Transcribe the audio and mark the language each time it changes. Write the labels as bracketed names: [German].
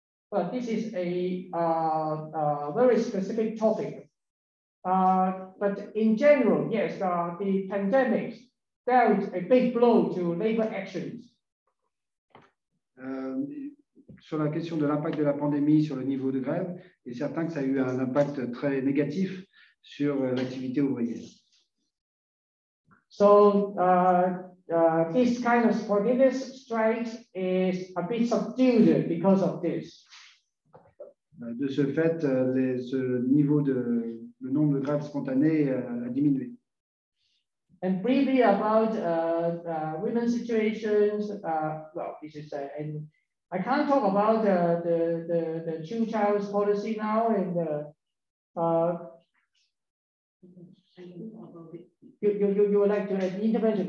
[English] But this is a very specific topic. But in general, yes, the pandemic dealt a big blow to labor actions. [French] Sur la question de l'impact de la pandémie sur le niveau de grève, il est certain que ça a eu un impact très négatif sur l'activité ouvrière. [English] So, this kind of spontaneous strikes is a bit subdued because of this. [French] De ce fait, le nombre de grèves spontanées a diminué. [English] And briefly about women's situations, this is I can't talk about the two child policy now and you would like to have intervention?